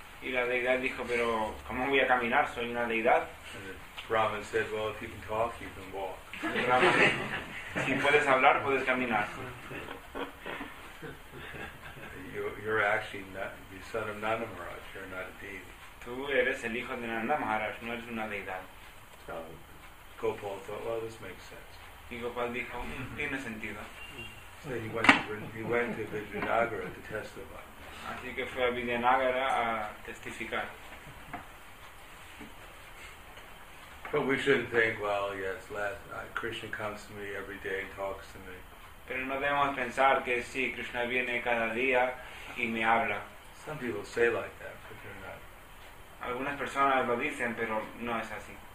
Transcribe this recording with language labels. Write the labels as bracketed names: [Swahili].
[Spanish] Y la deidad dijo, pero ¿cómo voy a caminar? Soy una deidad. [English] And the Brahman said, well, if you can talk, you can walk. [Spanish] Si puedes hablar, puedes caminar. [English] You're actually not, the son of Nanda Maharaj. You're not a deity. [Spanish] Tú eres el hijo de Nanda Maharaj, no eres una deidad. [English] So, Gopal thought, well, this makes sense. [Spanish] Y Gopal dijo, tiene sentido. [English] So he went to Vijayanagara to testify. [Spanish] Así que fue a Vijayanagara a testificar. [English] But we shouldn't think, well, yes, Krishna comes to me every day and talks to me. [Spanish] Pero no debemos pensar que sí, Krishna viene cada día y me habla. [English] Some people say like that, but they're not. [Spanish] Algunas personas lo dicen, pero no es así.